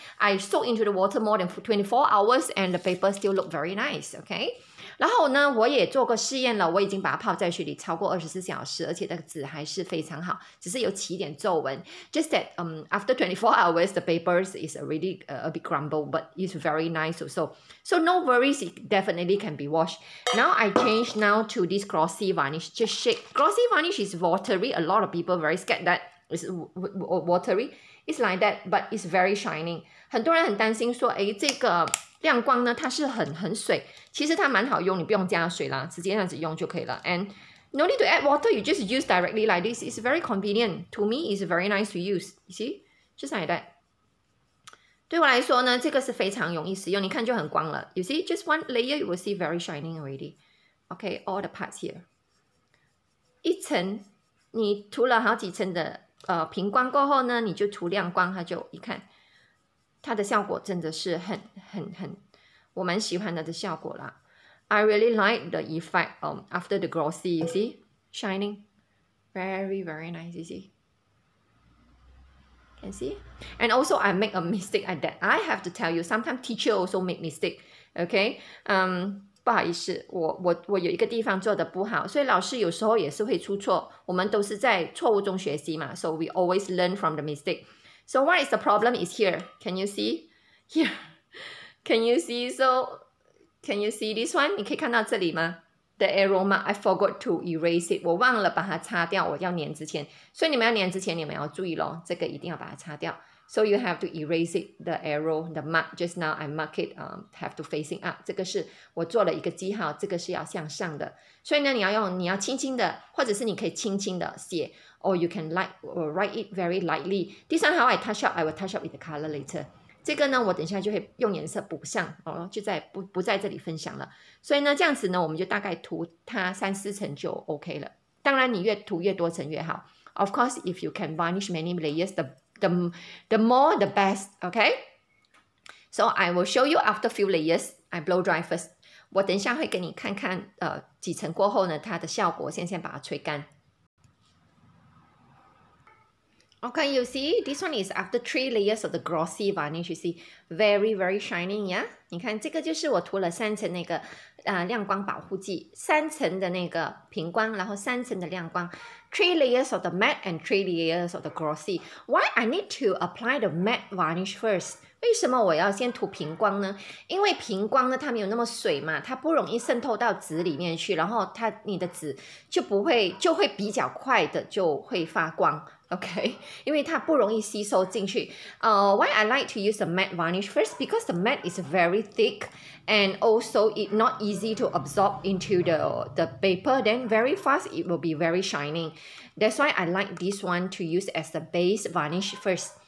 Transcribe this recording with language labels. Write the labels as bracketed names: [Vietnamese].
[English] I soak into the water more than 24 hours and the paper still look very nice, okay? [Chinese] 然后呢，我也做过试验了，我已经把它泡在水里超过24小时，而且这个纸还是非常好，只是有起一点皱纹。 [English] Just that, after 24 hours, the paper is already a bit crumbled, but it's very nice also. So no worries, it definitely can be washed. Now I change now to this glossy varnish. Just shake. Glossy varnish is watery. A lot of people very scared that it's watery. It's like that, but it's very shining. [Chinese] 很多人很担心说，哎，这个亮光呢，它是很水，其实它蛮好用，你不用加水啦，直接这样子用就可以了。 [English] And no need to add water, you just use directly like this. It's very convenient. To me, it's very nice to use. You see? Just like that. [Chinese] 对我来说呢，这个是非常容易使用，你看就很光了。 [English] You see? Just one layer, you will see very shining already. Okay, all the parts here. [Chinese] 一层，你涂了好几层的平光过后呢，你就涂亮光，它就一看。它的效果真的是很我蛮喜欢它的效果啦。 [English] I really like the effect after the glossy, you see? Shining. Very, very nice, you see? Can see? And also, I make a mistake at that. I have to tell you, sometimes teacher also make mistake, okay? [Chinese] 不好意思，我有一个地方做的不好，所以老师有时候也是会出错，我们都是在错误中学习嘛， [English] so we always learn from the mistake. So what is the problem is here. Can you see? Here. Can you see? So, can you see this one? [Chinese] 你可以看到这里吗? [English] The aroma, I forgot to erase it. [Chinese] 我忘了把它擦掉，我要粘之前。所以你们要粘之前，你们要注意咯，这个一定要把它擦掉。 [English] So you have to erase it, the arrow, the mark. Just now I mark it, have to facing up. [Chinese] 这个是我做了一个记号，这个是要向上的。所以呢，你要轻轻的，或者是你可以轻轻的写。 [English] Or you can write it very lightly. This one how I touch up, I will touch up with the color later. [Chinese] 这个呢，我等一下就会用颜色补上，就在 不在这里分享了。所以呢，这样子呢，我们就大概涂它3-4层就 OK 了。当然你越涂越多层越好。 [English] Of course, if you can varnish many layers, the more the best, okay? So I will show you after few layers, I blow dry first. [Chinese] 我等一下会给你看看几层过后呢，它的效果，先把它吹干。 [English] Okay, you see, this one is after 3 layers of the glossy varnish, you see, very, very shining, yeah? [Chinese] 你看这个就是我涂了3层那个亮光保护剂，3层的那个平光，然后3层的亮光， [English] 3 layers of the matte and 3 layers of the glossy. Why I need to apply the matte varnish first? [Chinese] 为什么我要先涂平光呢？因为平光呢，它没有那么水嘛，它不容易渗透到纸里面去，然后它你的纸就不会，就会比较快的就会发光。 OK, 因为它不容易吸收进去。 [English] Why I like to use the matte varnish first? Because the matte is very thick and also it not easy to absorb into the paper. Then very fast, it will be very shining. That's why I like this one to use as the base varnish first.